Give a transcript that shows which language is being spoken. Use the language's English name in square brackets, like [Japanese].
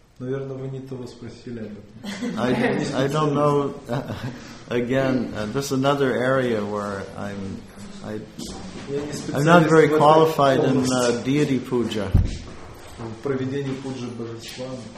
[Russian] Наверное, вы не того спросили об этом. [English] I don't know. Again, this is another area where I'm not very qualified in deity puja. [Russian] В проведении пуджи божества.